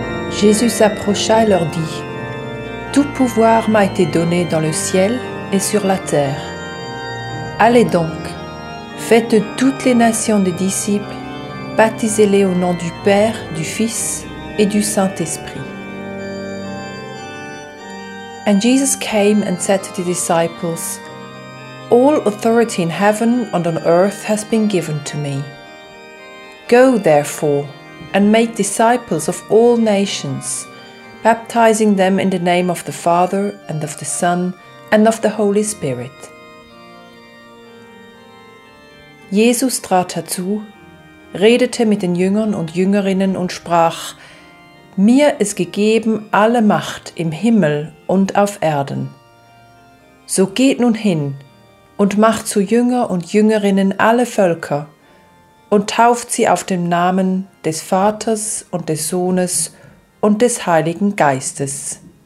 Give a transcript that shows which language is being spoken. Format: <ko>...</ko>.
<fr>Jésus s'approcha et leur dit, tout pouvoir m'a été donné dans le ciel et sur la terre. Allez donc, faites toutes les nations des disciples, baptisez-les au nom du Père, du Fils et du Saint-Esprit.</fr> <en>And Jesus came and said to the disciples, all authority in heaven and on earth has been given to me. Go therefore and make disciples of all nations, baptizing them in the name of the Father and of the Son and of the Holy Spirit.</en> <de>Jesus trat dazu, redete mit den Jüngern und Jüngerinnen und sprach, mir ist gegeben alle Macht im Himmel und auf Erden. So geht nun hin und macht zu Jünger und Jüngerinnen alle Völker und tauft sie auf dem Namen des Vaters und des Sohnes und des Heiligen Geistes.</de>